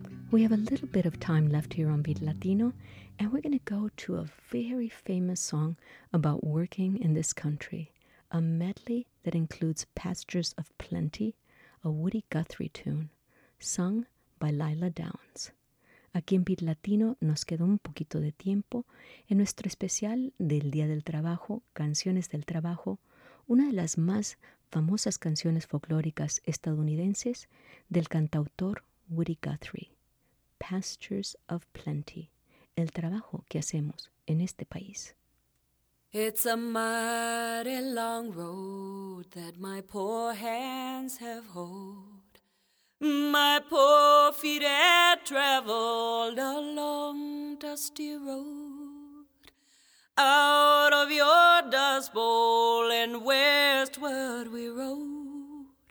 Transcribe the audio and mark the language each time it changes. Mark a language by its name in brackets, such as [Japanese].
[English] We have a little bit of time left here on Beat Latino, and we're going to go to a very famous song about working in this country, a medley that includes Pastures of Plenty, a Woody Guthrie tune, sung by Lila Downs. [Spanish] Aquí en Beat Latino nos quedó un poquito de tiempo. En nuestro especial del Día del Trabajo, Canciones del Trabajo, una de las más famosas canciones folclóricas estadounidenses del cantautor Woody Guthrie, Pastures of Plenty, el trabajo que hacemos en este país. [English] It's a mighty long road that my poor hands have hold. My poor feet have traveled a long dusty road. Out of your dust bowl and westward we rode.